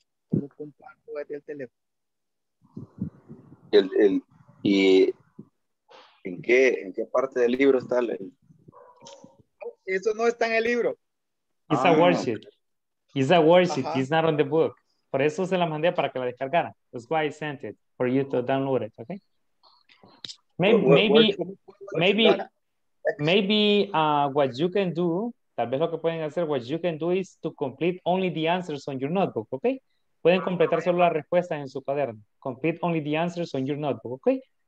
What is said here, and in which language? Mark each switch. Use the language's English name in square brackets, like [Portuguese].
[Spanish] ¿Cómo comparto desde el teléfono? ¿Y en qué parte del libro está? Eso no está en el libro. [English] It's a worksheet. It's a worksheet. It's not on the book. [Spanish] Por eso se la mandé para que la descargara. [English] That's why I sent it for you to download it, okay? Maybe what you can do, [Spanish] tal vez lo que pueden hacer, [English] what you can do is to complete only the answers on your notebook, okay? [Spanish] Pueden completar solo las respuestas en su cuaderno. [English] Complete only the answers on your notebook, okay?